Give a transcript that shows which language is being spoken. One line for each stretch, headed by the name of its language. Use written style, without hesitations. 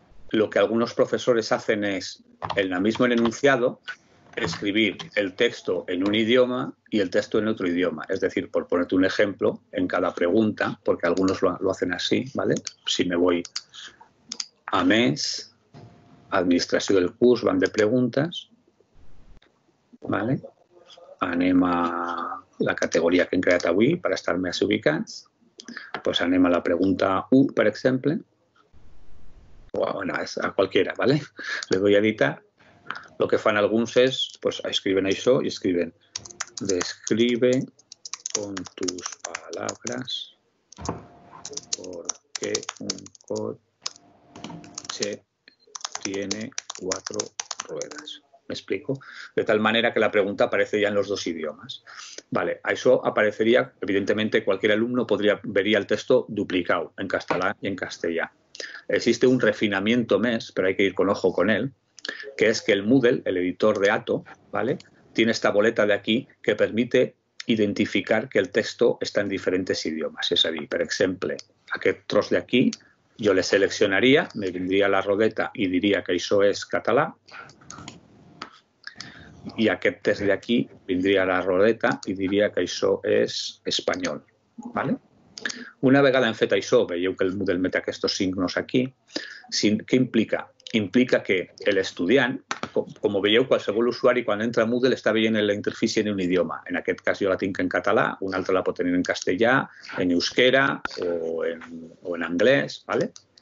Spanish: Lo que algunos profesores hacen es el mismo enunciado escribir el texto en un idioma y el texto en otro idioma. Es decir, por ponerte un ejemplo, en cada pregunta, porque algunos lo hacen así, ¿vale? Si me voy a mes, administración del curso, van de preguntas, ¿vale?
Catalan: Anem a la categoría que hem creat avui para estar més ubicats. Pues anem a la pregunta U, per exemple.
Spanish: O bueno, a cualquiera, ¿vale? Le doy a editar. Lo que
Catalan: fan alguns és,
Spanish: pues,
Catalan: escriuen això i escriuen
Spanish: "Describe con tus palabras por qué un coche tiene cuatro ruedas". ¿Me explico? De tal manera que la pregunta aparece ya en los dos idiomas. Vale, a eso aparecería, evidentemente, cualquier alumno vería el texto duplicado
Catalan: en castellà i en castellà.
Spanish: Existe un refinamiento més, però hay que ir con ojo con él, que es que el Moodle, el editor de Atto, ¿vale?, tiene esta boleta de aquí que permite identificar que el texto está en diferentes idiomas. Es decir, por ejemplo, aquel trozo de aquí, yo le seleccionaría, me vendría la rodeta y diría que eso es catalán. Y aquel trozo de aquí vendría la rodeta y diría que eso es español. ¿Vale?
Catalan: Una vegada hem fet això, veieu que el Moodle mete aquests signos aquí. Què implica? Implica que l'estudiant, com veieu, qualsevol usuari quan entra a Moodle està veient la interfície en un idioma. En aquest cas jo la tinc en català, un altre la pot tenir en castellà, en euskera o en anglès. ¿Vale?